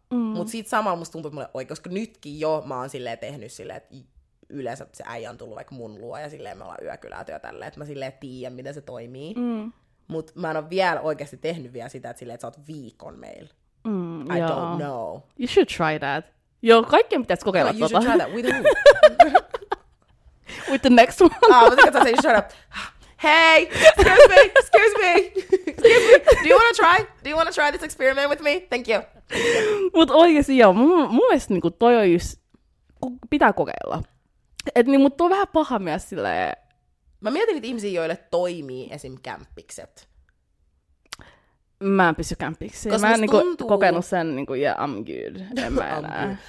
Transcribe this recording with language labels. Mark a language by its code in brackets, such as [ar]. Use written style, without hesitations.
[fi] Mut sit samalla musta tuntuu, että mulle oikein, koska nytkin jo mä oon silleen tehnyt silleen, että yleensä se äijä on tullut vaikka mun luo ja silleen me ollaan yökylätö ja tälleen, että mä silleen tiedän, miten se toimii. Mut mä en ole vielä oikeasti tehnyt vielä sitä, että silleen, että sä oot viikon meillä. [en] I [fi] joo. [en] don't know. You should try that. [fi] Joo, kaikkien pitäisi kokeilla tota. [en] You should try that with who? With the next one. [fi] Mä tykkään sanoa, [en] shut up. Hey, excuse me. Do you wanna try this experiment with me? Thank you. [fi] Mut oikeesti joo, mun mielestä niinku toi on just, pitää kokeilla. Et niin, mutta on vähän paha myös silleen... Mä mietin niitä ihmisiä, joille toimii esim. Kämppikset. Mä en pysy kämppiksiin. Mä en niinku tuntuu... kokenut sen, niinku, [en] yeah, I'm good. [fi] En mä enää.